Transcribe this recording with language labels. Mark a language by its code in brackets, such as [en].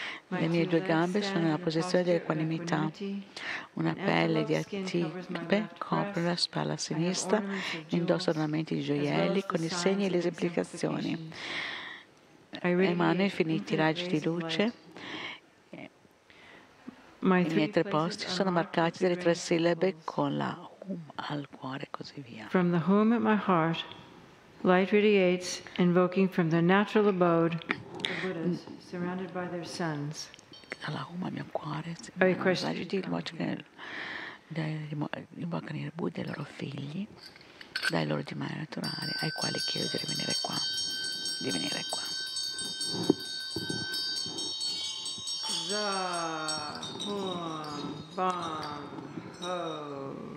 [it] Le mie due gambe sono nella posizione dell'equanimità, una pelle di antilope copre la spalla sinistra, indosso ornamenti di gioielli con i segni e le esemplificazioni, emano infiniti raggi di luce. I miei tre posti sono marcati dalle tre sillabe con la al cuore, così via. [en] From the home at my heart, light radiates, invoking from the natural abode the Buddhas, surrounded by their sons. [it] Dall'home al mio cuore, si invocano i Buddha e i loro figli, dai loro dimani naturali, ai quali chiedo di rimanere qua. Di venire qua. [sa] Za, hum, bam, ho.